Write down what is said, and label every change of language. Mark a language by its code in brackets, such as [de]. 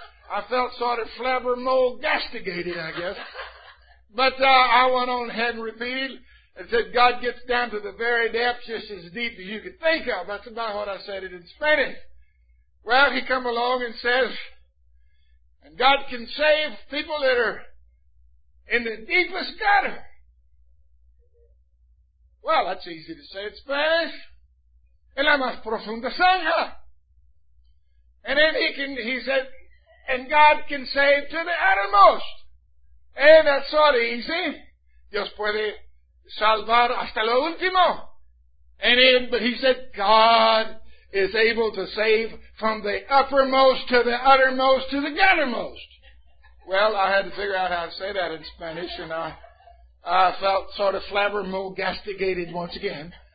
[en] I felt sort of flabbermogastigated, I guess. But I went on ahead and repeated and said, God gets down to the very depths just as deep as you could think of. That's about what I said it in Spanish. Well, He come along and says, and God can save people that are in the deepest gutter. Well, that's easy to say in Spanish. [es] En la más profunda zanja. [en] And then he said, and God can save to the uttermost. And that's sort of easy. [es] Dios puede salvar hasta lo último. [en] And then, but he said, God is able to save from the uppermost to the uttermost to the guttermost. Well, I had to figure out how to say that in Spanish, and I felt sort of flabbermogastigated once again.